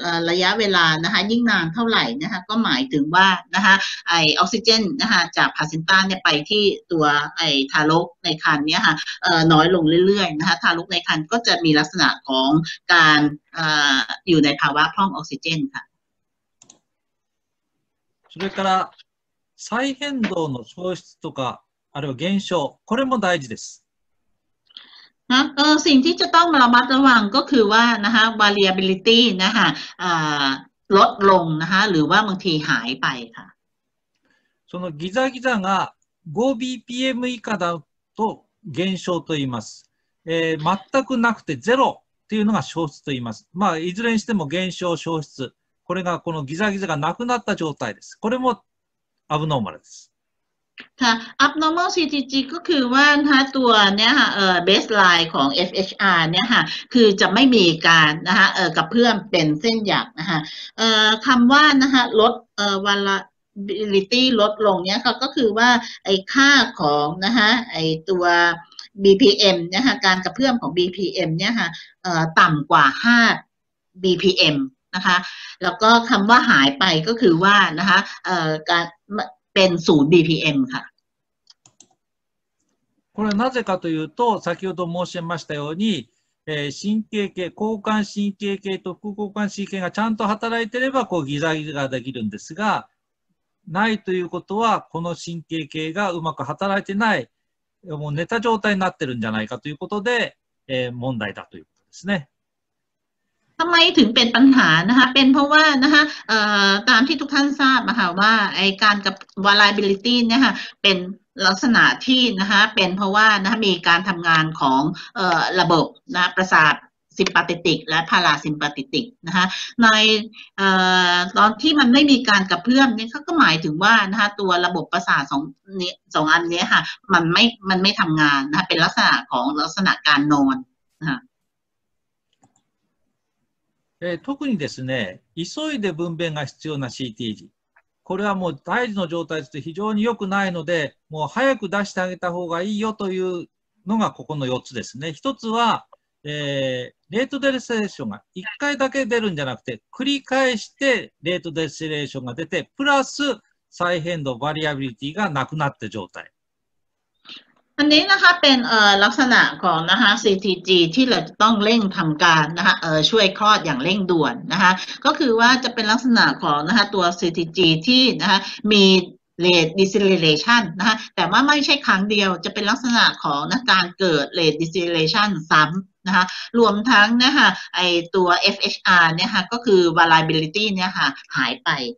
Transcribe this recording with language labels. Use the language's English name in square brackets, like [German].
[Thai] ระยะเวลานะคะยิ่งนานเท่าไหร่นะคะก็หมายถึงว่านะคะไอออกซิเจนนะคะจากพาเซนต้าเนี่ยไปที่ตัวไอทารกในครรภ์เนี่ยค่ะน้อยลงเรื่อยๆนะคะทารกในครรภ์ก็จะมีลักษณะของการอยู่ในภาวะพร่องออกซิเจนค่ะ [Japanese] それから再変動の消失とかあるいは減少これも大事です。 [Thai] あ、สิ่งที่จะต้องระมัดระวังก็คือว่านะคะ variability นะคะลดลงนะคะหรือว่าบางทีหายไปค่ะ。 [Japanese] そのギザギザが 5BPM 以下だと減少と言います。全くなくてゼロっていうのが消失と言います。まあいずれにしても減少消失。これがこのギザギザがなくなった状態です。これもアブノーマルです。 [Thai] ค่ะ abnormal CTG ก็คือว่านะคะตัวเนี่ยค่ะbaseline ของ FHR เนี่ยค่ะคือจะไม่มีการนะคะกระเพื่อมเป็นเส้นหยักนะคะ คำว่านะคะลด variability ลดลงเนี่ยค่ะก็คือว่าไอค่าของนะคะไอตัว BPM เนี่ยค่ะการกระเพื่อมของ BPM เนี่ยค่ะต่ำกว่า5 BPMนะคะแล้วก็คำว่าหายไปก็คือว่านะคะการเป็น0 BPM ค่ะ [Japanese] これはなぜかというと先ほど申し上げましたように神経系交感神経系と副交感神経がちゃんと働いてればこうギザギザができるんですがないということはこの神経系がうまく働いてないもう寝た状態になってるんじゃないかということで問題だということですね [Thai] ทำไมถึงเป็นปัญหานะคะเป็นเพราะว่านะคะตามที่ทุกท่านทราบนะคะว่าไอการกับ variability เนี่ยค่ะเป็นลักษณะที่นะคะเป็นเพราะว่านะคะมีการทำงานของระบบนะประสาทซิมปาติติกและพาราซิมปาติติกนะคะในตอนที่มันไม่มีการกระเพื่อมเนี่ยเขาก็หมายถึงว่านะคะตัวระบบประสาทสองอันนี้ค่ะมันไม่ทำงานนะคะเป็นลักษณะของลักษณะการนอนนะคะ [Japanese] 特にですね、急いで分娩が必要な CTG。これはもう胎児の状態として非常に良くないので、もう早く出してあげた方がいいよというのがここの4つですね。1つは、レートデレセレーションが1回だけ出るんじゃなくて、繰り返してレートデレセレーションが出て、プラス再変動バリアビリティがなくなった状態。 [Thai] อันนี้นะคะเป็นลักษณะของนะคะ CTG ที่เราต้องเร่งทำการนะคะช่วยคลอดอย่างเร่งด่วนนะคะก็คือว่าจะเป็นลักษณะของนะคะตัว CTG ที่นะคะมีrate deceleration นะคะแต่ว่าไม่ใช่ครั้งเดียวจะเป็นลักษณะของนะการเกิด rate deceleration ซ้ำนะคะรวมทั้งนะคะไอตัว FHR เนี่ยค่ะก็คือ variability เนี่ยค่ะหายไป